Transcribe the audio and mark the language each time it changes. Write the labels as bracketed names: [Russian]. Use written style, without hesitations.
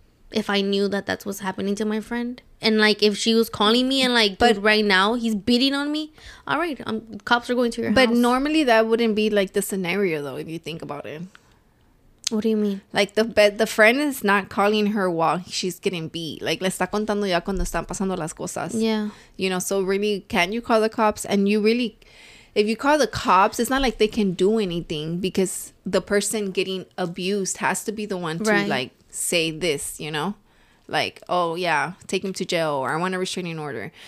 [English] If I knew that that's what's happening to my friend. And, like, if she was calling me and, like, but right now he's beating on me. All right. Cops are going to your but house. But normally that wouldn't be, like, the scenario, though, if you think about it. What do you mean? Like, the friend is not calling her while she's getting beat. Like, [Spanish] le está contando ya cuando están pasando las cosas. [English] Yeah. You know, so really, can you call the cops? And you really, if you call the cops, it's not like they can do anything because the person getting abused has to be the one to, right. like, say this, you know? Like, oh, yeah, take him to jail or I want a restraining order.